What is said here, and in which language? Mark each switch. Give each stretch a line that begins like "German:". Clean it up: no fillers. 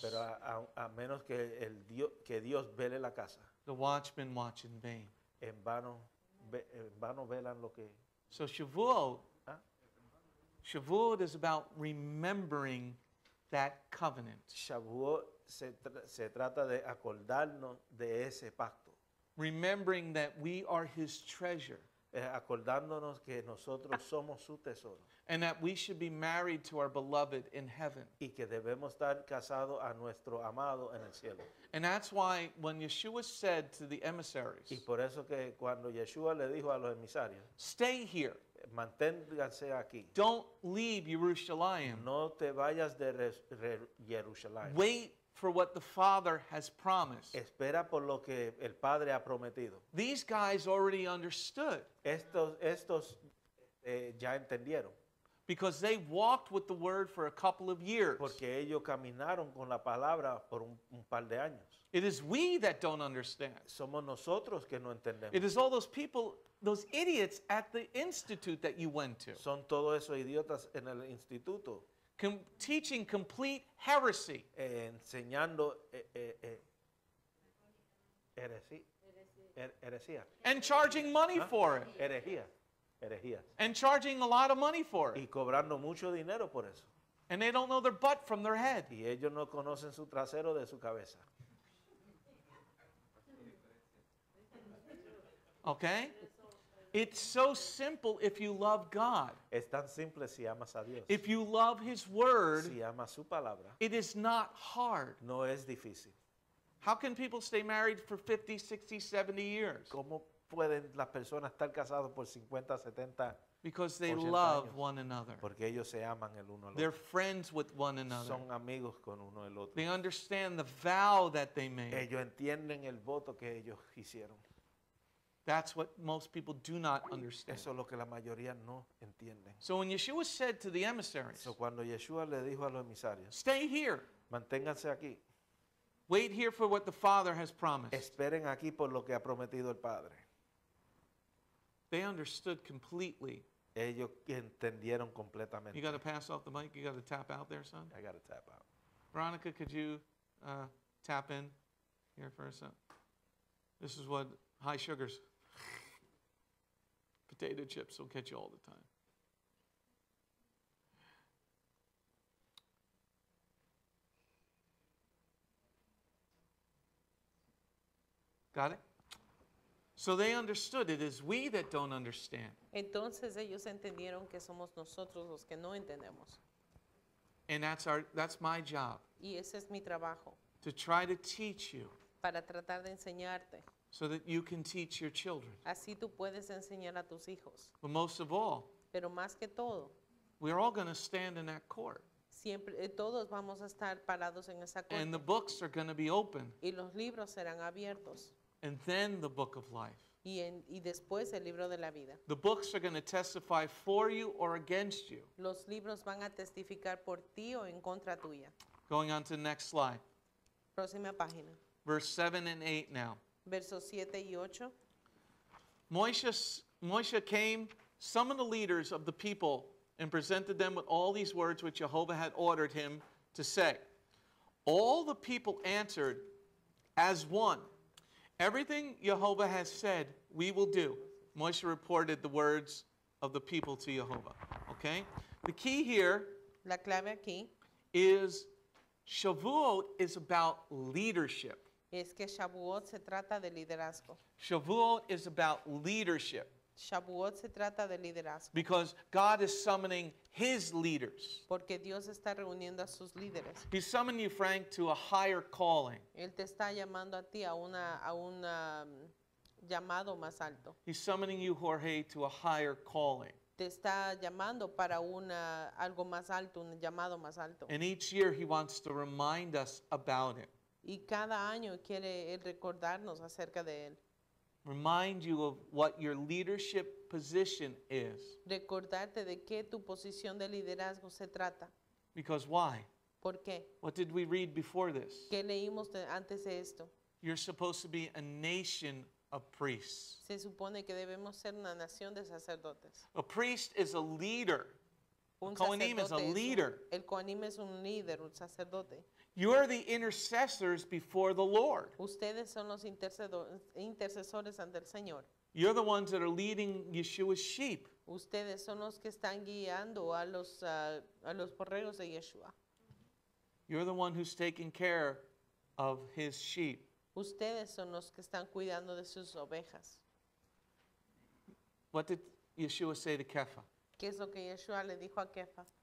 Spanish: pero a menos que Dios vele la casa,
English: the watchmen watch in vain.
Spanish: En vano velan lo que.
English: So Shavuot, Shavuot is about remembering that covenant.
Spanish: Shavuot se trata de acordarnos de ese pacto.
English: Remembering that we are His treasure.
Spanish: Acordándonos que nosotros somos su tesoro.
English: And that we should be married to our beloved in heaven.
Spanish: Y que debemos estar casados a nuestro amado en el cielo.
English: And that's why when Yeshua said to the emissaries,
Spanish: y por eso que cuando Yeshua le dijo a los emisarios,
English: stay here.
Spanish: Manténganse aquí.
English: Don't leave Jerusalem.
Spanish: No te vayas de Jerusalén.
English: Wait for what the Father has promised.
Spanish: Espera por lo que el Padre ha prometido.
English: These guys already understood.
Spanish: Estos ya entendieron.
English: Because they walked with the word for a couple of years.
Spanish: Porque ellos caminaron con la palabra por un par de años.
English: It is we that don't understand.
Spanish: Somos nosotros que no entendemos.
English: It is all those people, those idiots at the institute that you went to.
Spanish: Son todos esos idiotas en el instituto.
English: Teaching complete heresy.
Spanish: Enseñando heresía.
English: And charging money for it. And charging a lot of money for it.
Spanish: Y cobrando mucho dinero por eso.
English: And they don't know their butt from their head.
Spanish: Y ellos no conocen su trasero de su cabeza.
English: Okay? It's so simple if you love God.
Spanish: Es tan simple si amas a Dios.
English: If you love His word,
Spanish: si amas su palabra,
English: it is not hard.
Spanish: No es difícil.
English: How can people stay married for 50, 60, 70 years?
Spanish: ¿Cómo pueden las personas estar casados por 50, 70 años?
English: Because they love one another.
Spanish: Porque ellos se aman el uno al otro.
English: They're friends with one another.
Spanish: Son amigos con uno el otro.
English: They understand the vow that they made.
Spanish: Ellos entienden el voto que ellos hicieron.
English: That's what most people do not understand.
Spanish: Eso es lo que la mayoría no entienden.
English: So when Yeshua said to the emissaries,
Spanish: so cuando Yeshua le dijo a los emisarios,
English: stay here.
Spanish: Manténganse aquí.
English: Wait here for what the Father has promised.
Spanish: Esperen aquí por lo que ha prometido el Padre.
English: They understood completely
Spanish: Ellos entendieron completamente.
English: You got to pass off the mic. You got to tap out there, son. I got to tap out. Veronica, could you tap in here for a second? This is what high sugars. Potato chips will catch you all the time. Got it? So they understood it is we that don't understand.
Spanish: Entonces ellos entendieron que somos nosotros los que no entendemos.
English: And that's my job.
Spanish: Y ese es mi trabajo.
English: To try to teach you.
Spanish: Para tratar de enseñarte.
English: So that you can teach your children.
Spanish: Así tú puedes enseñar a tus hijos.
English: But most of all.
Spanish: Pero más que todo.
English: We're all going to stand in that court.
Spanish: Siempre, todos vamos a estar parados en esa corte.
English: And the books are going to be open.
Spanish: Y los libros serán abiertos.
English: And then the book of life.
Spanish: Y después el libro de la vida.
English: The books are going to testify for you or against you.
Spanish: Los libros van a testificar por ti o en contra tuya.
English: Going on to the next slide.
Spanish: Próxima página.
English: Verse 7 and 8 now.
Spanish: Versos 7 y 8.
English: Moisés came, summoned the leaders of the people, and presented them with all these words which Jehovah had ordered him to say. All the people answered as one. Everything Jehovah has said, we will do. Moshe reported the words of the people to Jehovah. Okay? The key here,
Spanish: la clave aquí,
English: is Shavuot is about leadership.
Spanish: Es que Shavuot se trata de liderazgo.
English: Shavuot is about leadership.
Spanish: Shavuot se trata de liderazgo.
English: Because God is summoning his leaders.
Spanish: Porque Dios está reuniendo a sus líderes.
English: He's summoning you, Frank, to a higher calling.
Spanish: Él te está llamando a ti a una llamado más alto.
English: He's summoning you, Jorge, to a higher calling.
Spanish: Te está llamando para una algo más alto, un llamado más alto.
English: And each year he wants to remind us about it.
Spanish: Y cada año quiere recordarnos acerca de él.
English: Remind you of what your leadership position is.
Spanish: Recordarte de qué tu posición de liderazgo se trata.
English: Because why?
Spanish: ¿Por qué?
English: What did we read before this?
Spanish: ¿Qué leímos antes de esto?
English: You're supposed to be a nation of priests.
Spanish: Se supone que debemos ser una nación de sacerdotes.
English: A priest is a leader.
Spanish: Un
English: Kohanim is a leader.
Spanish: El Kohanim es un líder, un sacerdote.
English: You are the intercessors before the Lord.
Spanish: Ustedes son los intercesores ante el Señor.
English: You're the ones that are leading Yeshua's sheep.
Spanish: Ustedes son los que están guiando a los borregos de Yeshua.
English: You're the one who's taking care of his sheep.
Spanish: Ustedes son los que están cuidando de sus ovejas.
English: What did Yeshua say to Kepha?
Spanish: ¿Qué es lo que Yeshua le dijo a Kepha?